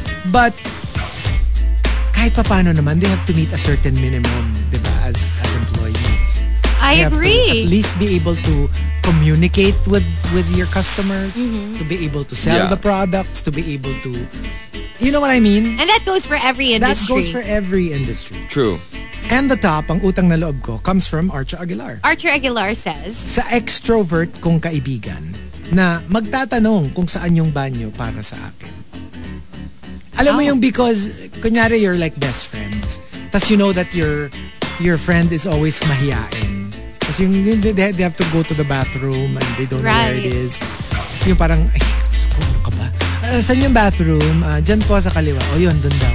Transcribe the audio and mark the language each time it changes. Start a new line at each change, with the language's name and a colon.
English: But
Filipino: kahit pa paano naman,
English: they have to meet a certain minimum, diba, as employees. I agree. At least be able to communicate with your customers, to be able to sell the products, to be able to, you know what I mean? And that goes for every industry. That goes for every industry. True. And the top,
Filipino: ang utang na loob ko,
English: comes from Archer Aguilar. Archer Aguilar says,
Filipino: sa extrovert kong kaibigan na magtatanong kung saan yung banyo para sa akin. Alam mo yung
English: because, kunyari you're like best friends, tas you know that your friend is always mahiyain.
Filipino: Tas yung
English: they have to go to the bathroom and they don't know where it is.
Filipino: Yung parang, ay, ano ka ba? Saan yung bathroom? Dyan po sa kaliwa. O yun, dun daw.